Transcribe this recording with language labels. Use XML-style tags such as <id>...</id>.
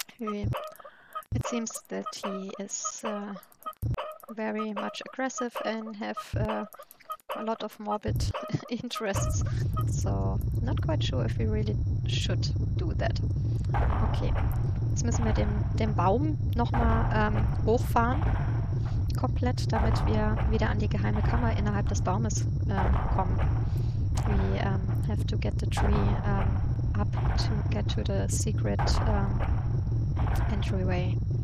<en>It seems that he is very much aggressive and have a lot of morbid interests, so not quite sure if we really should do that.</en> <de>Okay, jetzt müssen wir den Baum nochmal hochfahren, komplett, damit wir wieder an die geheime Kammer innerhalb des Baumes kommen.</de> <en>We have to get the tree up to get to the secret entryway.</en>